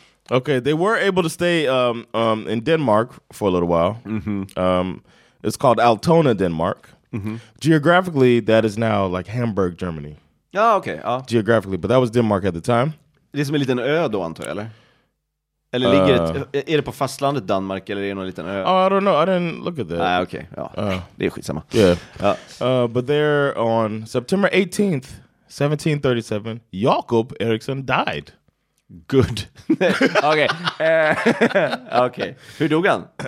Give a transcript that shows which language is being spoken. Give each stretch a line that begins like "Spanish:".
English: Okay, they were able to stay in Denmark for a little while. Mm-hmm. It's called Altona, Denmark. Geographically, that is now like Hamburg, Germany.
Swedish: Ja, ah, okej. Okay, ah.
English: Geographically, but that was Denmark at the time.
Swedish: Det är som en liten ö då, antar jag, eller? Eller ligger det, är det på fastlandet Danmark, eller är det någon liten ö?
English: Oh, I don't know. I didn't look at that.
Swedish: Nej, ah, okej. Okay, ja. Det är skitsamma.
English: Yeah. Ah. But there on September 18th, 1737, Jakob Eriksson died.
Swedish: Good. Okej. Okay. Hur dog han?